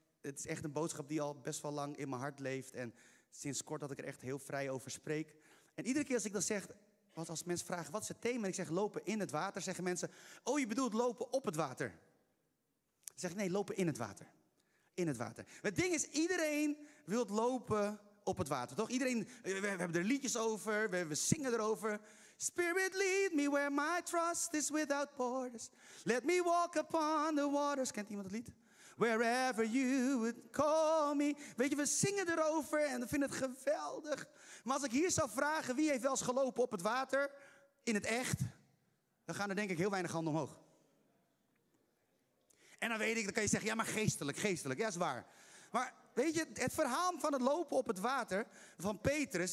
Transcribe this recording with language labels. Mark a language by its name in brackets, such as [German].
[Dutch] Het is echt een boodschap die al best wel lang in mijn hart leeft. En sinds kort dat ik er echt heel vrij over spreek. En iedere keer als ik dan zeg, wat als mensen vragen, wat is het thema? En ik zeg, lopen in het water. Zeggen mensen, oh, je bedoelt lopen op het water. Dan zeg ik, nee, lopen in het water. In het water. Het ding is, iedereen wil lopen op het water, toch? Iedereen, we hebben er liedjes over, we zingen erover. [English] Spirit, lead me where my trust is without borders. Let me walk upon the waters. [Dutch] Kent iemand het lied? [English] Wherever you would call me. [Dutch] Weet je, we zingen erover en we vinden het geweldig. Maar als ik hier zou vragen, wie heeft wel eens gelopen op het water? In het echt? Dan gaan er denk ik heel weinig handen omhoog. En dan weet ik, dan kan je zeggen, ja maar geestelijk. Ja, is waar. Maar weet je, het verhaal van het lopen op het water van Petrus.